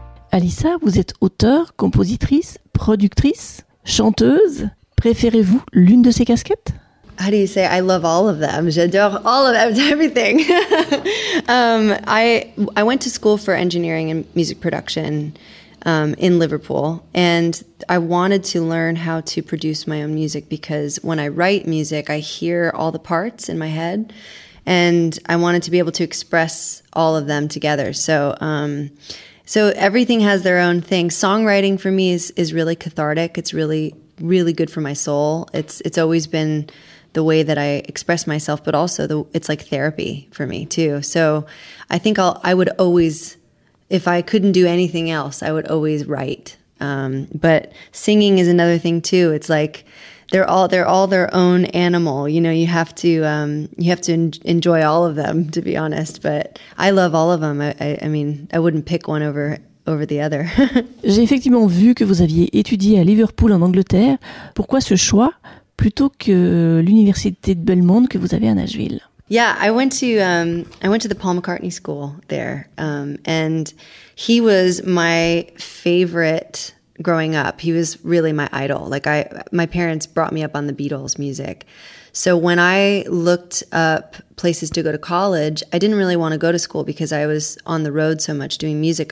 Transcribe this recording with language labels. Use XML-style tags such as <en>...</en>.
<fr>Alissa, vous êtes auteure, compositrice, productrice, chanteuse. Préférez-vous l'une de ces casquettes?</fr> <en>how do you say, I love all of them.</en> <fr>J'adore</fr> <en>all of them, everything. I went to school for engineering and music production in Liverpool, and I wanted to learn how to produce my own music, because when I write music, I hear all the parts in my head, and I wanted to be able to express all of them together. So everything has their own thing. Songwriting for me is really cathartic. It's really, really good for my soul. It's always been the way that I express myself, but also it's like therapy for me too. So I think if I couldn't do anything else, I would always write. But singing is another thing too. It's like, they're all their own animal. You know, you have to enjoy all of them, to be honest. But I love all of them. I mean, I wouldn't pick one over the other.</en> <fr>J'ai effectivement vu que vous aviez étudié à Liverpool en Angleterre. Pourquoi ce choix plutôt que l'université de Belmont que vous avez à Nashville?</fr> <en>Yeah, I went to the Paul McCartney School there, and he was my favorite growing up. He was really my idol. Like, my parents brought me up on the Beatles music. So when I looked up places to go to college, I didn't really want to go to school because I was on the road so much doing music.</en>